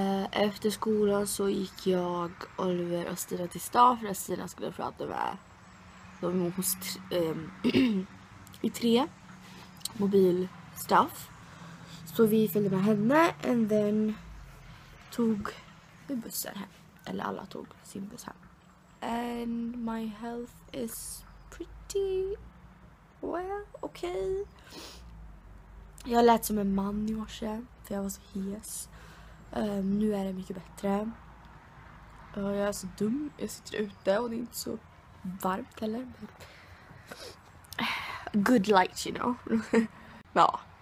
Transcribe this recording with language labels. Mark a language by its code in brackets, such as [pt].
[sv] Efter skolan så gick jag, Oliver och Stina till stan för att Stina skulle prata med dem hos i tre mobilstaff. Så vi följde med henne och then tog vi bussen hem. Eller alla tog sin buss hem. [en] and my health is pretty well, okay. [sv] Jag lät som en man i morse, för jag var så hes. Nu är det mycket bättre. Jag är så dum, jag sitter ute och det är inte så varmt heller. Men... [en] good light, you know. Ja.